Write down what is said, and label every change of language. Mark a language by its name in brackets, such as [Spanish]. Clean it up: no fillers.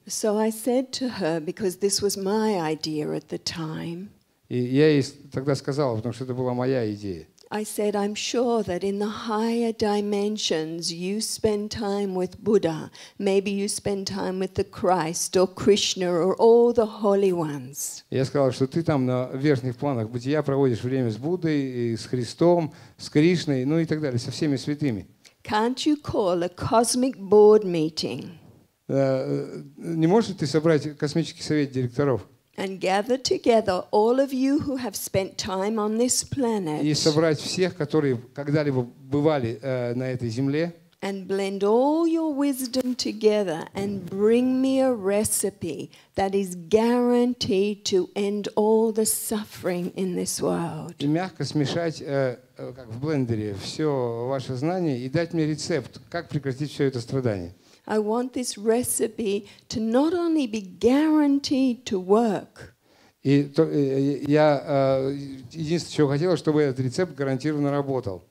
[English] So I said to her, because this was my idea at the time. [Russian] И я ей тогда сказала, потому что это была моя идея. [English] I said, I'm sure that in the higher dimensions you spend time with Buddha. Maybe you spend time with the Christ or Krishna or all the holy ones. [Russian] Я сказал, что ты там на верхних планах бытия проводишь время с Буддой, и с Христом, с Кришной, ну и так далее, со всеми святыми. [English] Can't you call a cosmic board meeting? [Russian] Не можешь ты собрать космический совет директоров? [English] And gather together all of you who have spent time on this planet. [Russian] И собрать всех, которые когда-либо бывали на этой земле. [English] And blend all your wisdom together and bring me a recipe that is guaranteed to end all the suffering in this world. [Russian] И мягко смешать как в блендере, все ваше знание и дать мне рецепт, как прекратить все это страдание. [English] I want this recipe to not only be guaranteed to work. [Russian] И то, я единственное, чего хотел, чтобы этот рецепт гарантированно работал.